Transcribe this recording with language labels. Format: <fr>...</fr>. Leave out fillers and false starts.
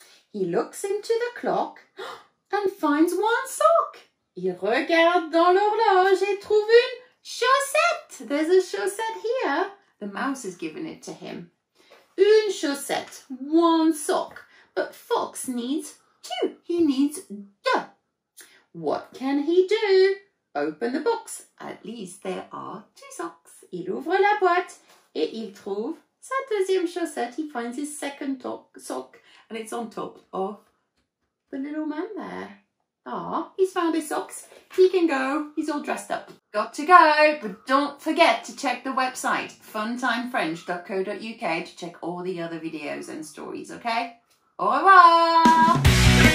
<en>He looks into the clock and finds one sock.</en> <fr>Il regarde dans l'horloge et trouve une chaussette.</fr> <en>There's a chaussette here. The mouse has given it to him.</en> <fr>Une chaussette,</fr> <en>one sock. But Fox needs two. He needs deux. What can he do? Open the box. At least there are two socks.</en> <fr>Il ouvre la boîte et il trouve sa deuxième chaussette.</fr> <en>He finds his second sock. And it's on top of the little man there. Aw, he's found his socks. He can go. He's all dressed up. Got to go. But don't forget to check the website, funtimefrench.co.uk, to check all the other videos and stories, okay?</en> <fr>Au revoir!</fr>